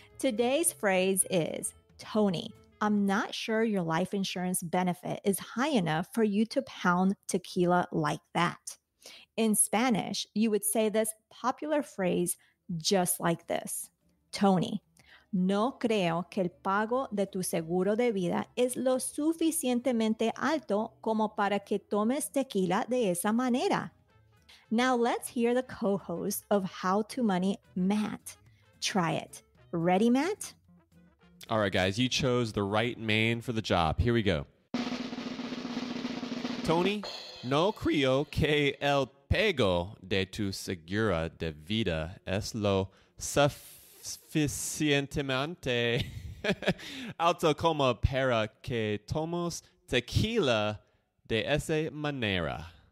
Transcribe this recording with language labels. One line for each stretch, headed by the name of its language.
English: Today's phrase is, Tony, I'm not sure your life insurance benefit is high enough for you to pound tequila like that. In Spanish, you would say this popular phrase just like this, Tony.
Spanish: No creo que el pago de tu seguro de vida es lo suficientemente alto como para que tomes tequila de esa manera.
English: Now let's hear the co-host of How to Money, Matt. Try it. Ready, Matt? All right, guys, you chose the right man for the job. Here we go.
Spanish: Tony, no creo que el pago de tu seguro de vida es lo suficientemente alto como para que tomos tequila de esa manera.